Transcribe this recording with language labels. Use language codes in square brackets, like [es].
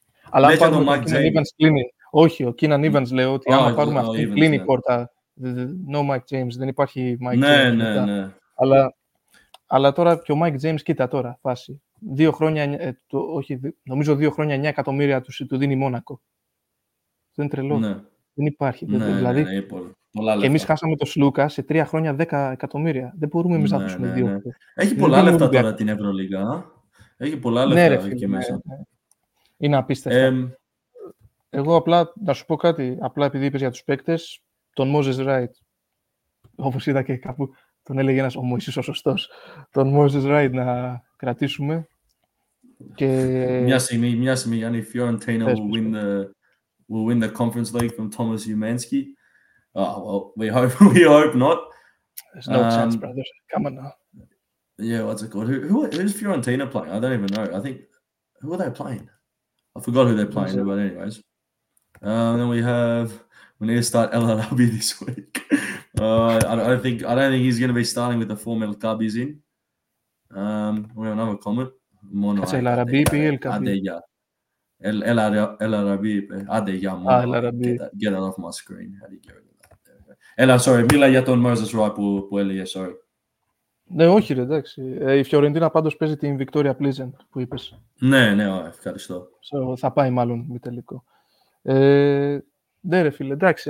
[el] Αλλά αν πάρουμε τον Mike James. Evans, κλείνει. Όχι, ο Keenan Evans λέει ότι άμα πάρουμε αυτόν, κλείνει η πόρτα. [en] No [el] Mike James, δεν υπάρχει Mike James. Ναι. Αλλά τώρα και ο Mike James, κοίτα τώρα, φάση. Δύο χρόνια, νομίζω 2 χρόνια 9 εκατομμύρια του δίνει Μόνακο. Δεν είναι τρελό. Ναι. Δεν υπάρχει. Ναι, δηλαδή, ναι, πολλά και εμείς χάσαμε το Σλούκα σε 3 χρόνια 10 εκατομμύρια. Δεν μπορούμε εμείς να δώσουμε 2. Έχει πολλά λεφτά τώρα την Ευρωλίγα. Έχει πολλά λεφτά εκεί μέσα. Είναι απίστευτο. Εγώ απλά να σου πω κάτι. Απλά επειδή είπες για τους παίκτες, τον Moses Wright. Όπως είδα και κάπου, τον έλεγε ένας ο Μωυσής ο σωστός. Τον Moses Wright να κρατήσουμε. Και... Μια στιγμή, Γιάννη, η [en] Fiorentina will win the conference league from Thomas Umansky. Oh, well, we hope not. There's no chance, brother. Come on now. Yeah, what's it called? Who's Fiorentina playing? I don't even know. I think, who are they playing? I forgot who they're playing, but anyways. Then we need to start LLB this week. I don't think he's going to be starting with the form El Kabi's in. We have another comment. [el] Κάτσε, El Arabi ή El Kabi. Αντέγια. El Arabi είπε. Αντέγια μόνο. El Arabi. [en] Get that off my screen. [el] Έλα, [en] sorry. [el] Μίλα για τον Moses Wright που έλεγε, sorry. Ναι, όχι ρε, εντάξει. Η Φιωρεντίνα πάντως παίζει την Victoria Pleasant που είπες. Ναι, ευχαριστώ. Θα πάει μάλλον μη τελικό. Ναι, ρε φίλε, εντάξει.